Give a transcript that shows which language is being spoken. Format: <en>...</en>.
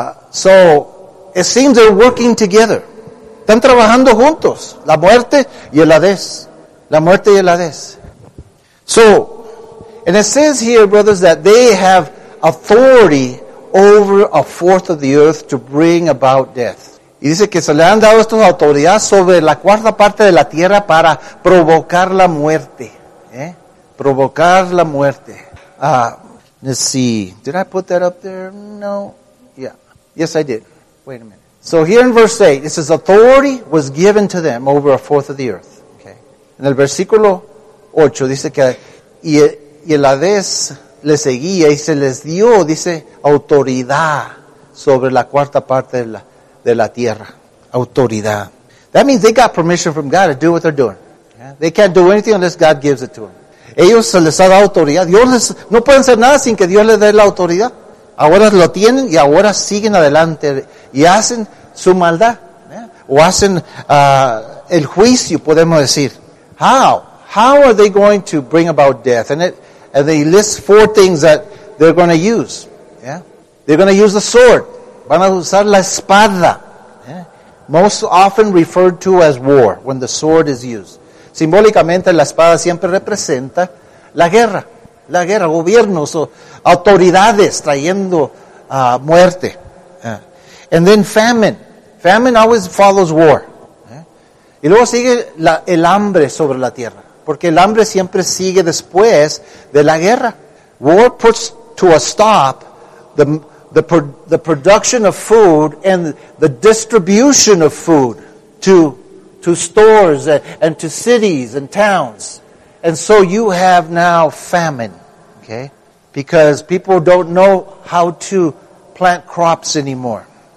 <en>So it seems they're working together.</en> <es>Están trabajando juntos. La muerte y el Hades. La muerte y el Hades.</es> <en>So, and it says here, brothers, that they have authority over a fourth of the earth to bring about death.</en> <es>Y dice que se le han dado estas autoridades sobre la cuarta parte de la tierra para provocar la muerte. ¿Eh? Provocar la muerte.</es> <en>Let's see. Did I put that up there? No. Yeah. Yes, I did. Wait a minute. So here in verse 8, it says, authority was given to them over a fourth of the earth. Okay.</en> <es>En el versículo 8 dice que, y el Hades le seguía y se les dio, dice, autoridad sobre la cuarta parte de la de la tierra, autoridad.</es> <en>That means they got permission from God to do what they're doing. Yeah. They can't do anything unless God gives it to them.</en> <es>Ellos se les ha dado autoridad. Dios les, no pueden hacer nada sin que Dios les dé la autoridad. Ahora lo tienen y ahora siguen adelante y hacen su maldad. Yeah. O hacen el juicio, podemos decir.</es> <en>How? How are they going to bring about death? And they list four things that they're going to use. Yeah. They're going to use the sword.</en> <es>Van a usar la espada.</es> <en>Most often referred to as war, when the sword is used.</en> <es>Simbólicamente, la espada siempre representa la guerra. La guerra, gobiernos o autoridades trayendo muerte.</es> <en>And then famine. Famine always follows war.</en> <es>Y luego sigue el hambre sobre la tierra. Porque el hambre siempre sigue después de la guerra.</es> <en>War puts to a stop the production of food and the distribution of food to stores and to cities and towns. And so you have now famine, okay? Because people don't know how to plant crops anymore.</en>